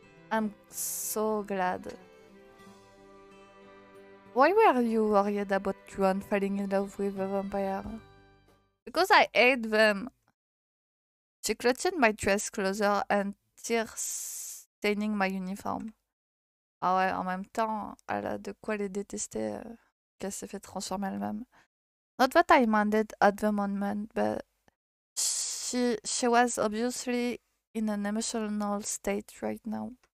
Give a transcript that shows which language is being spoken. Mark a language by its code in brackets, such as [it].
[en] I'm so glad. Why were you worried about Juan falling in love with a vampire? Because I hate them. She clutched my dress closer and tears staining my uniform. [fr] Ah ouais, en même temps, elle a de quoi les détester qu'elle s'est fait transformer elle-même. [en] Not that I minded at the moment, but she was obviously in an emotional state right now.